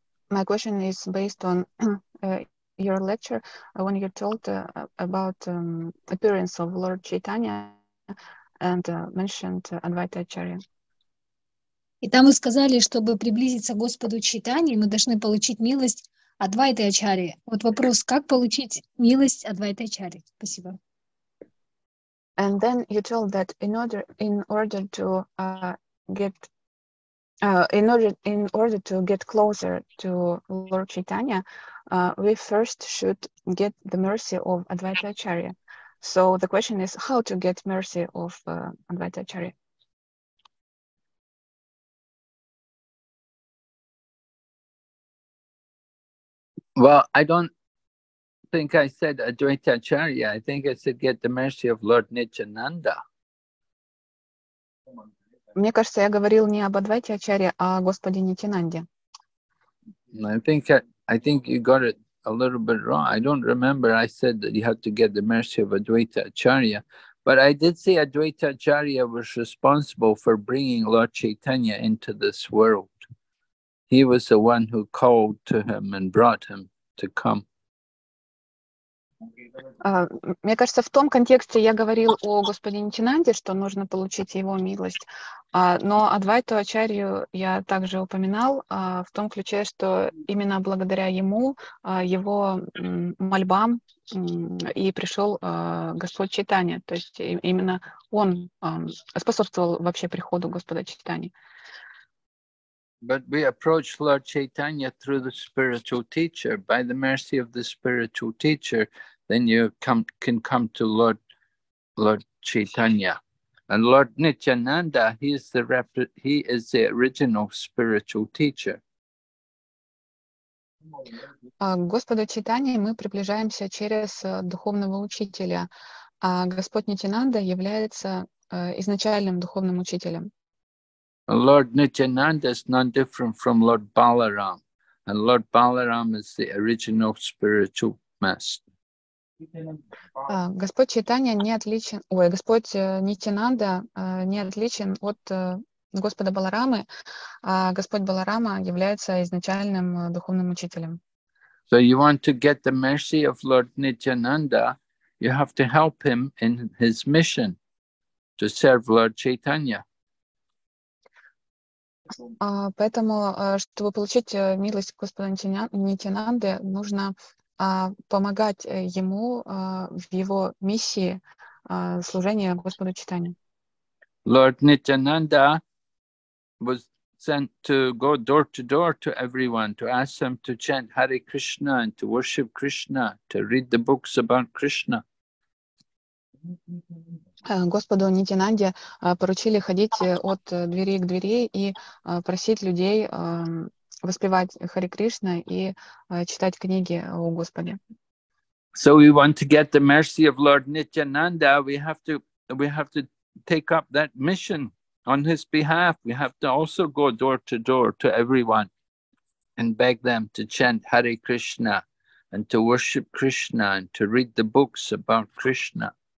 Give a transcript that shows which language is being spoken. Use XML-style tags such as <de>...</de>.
<en>My question is based on your lecture when you told about appearance of Lord Chaitanya and mentioned Advaita Acharya.</en> <ru>И там вы сказали, чтобы приблизиться к Господу Чайтаньи, мы должны получить милость Адвайты Ачарьи. Вот вопрос, как получить милость Адвайты Ачарьи? Спасибо.</ru> <en>And then you told that in order to get In order to get closer to Lord Chaitanya, we first should get the mercy of Advaita Acharya. So the question is, how to get mercy of Advaita Acharya? Well, I don't think I said Advaita Acharya. I think I said get the mercy of Lord Nityananda.</en> <ru>Мне кажется, я говорил не об Адвайте Ачарье, а о Господе Нитянанде.</ru> <en>I think you got it a little bit wrong. I don't remember I said that you have to get the mercy of Advaita Acharya. But I did say Advaita Acharya was responsible for bringing Lord Chaitanya into this world. He was the one who called to him and brought him to come.</en> <ru>Мне кажется, в том контексте я говорил о Господе Нитянанде, что нужно получить его милость. Но Адвайту Ачарью я также упоминал в том ключе, что именно благодаря ему, его мольбам и пришел Господь Чайтанья. То есть именно он способствовал вообще приходу Господа Чайтаньи.</ru> <en>But we approach Lord Chaitanya through the spiritual teacher. By the mercy of the spiritual teacher, then you can come to Lord Chaitanya. And Lord Nityananda, he is the original spiritual teacher.</en> <ru>Господа Чайтанья мы приближаемся через духовного учителя, а Господь Нитянанда является изначальным духовным учителем.</ru> <en>Lord Nityananda is none different from Lord Balaram, and Lord Balaram is the original spiritual master.</en> <ru>Господь Чайтанья не отличен, Господь Нитянанда не отличен от Господа Баларамы, а Господь Баларама является изначальным духовным учителем.</ru> <en>So you want to get the mercy of Lord Nityananda, you have to help him in his mission to serve Lord Chaitanya.</en> <ru>Поэтому, чтобы получить милость Господа Нитянанды, нужно помогать ему в его миссии служения Господу Чайтанье.</ru> <en>Lord Nityananda was sent to go door to door to everyone, to ask them to chant Hare Krishna and to worship Krishna, to read the books about Krishna.</en> <ru>Господу Нитянанде поручили ходить от двери к двери и просить людей воспевать Хари Кришна и читать книги о Господе.</ru> <en>So we want to get the mercy of Lord Nityananda, we have to take up that mission on his behalf. We have to also go door to door to everyone and beg them to chant Hare Krishna and to worship Krishna and to read the books about Krishna.</en>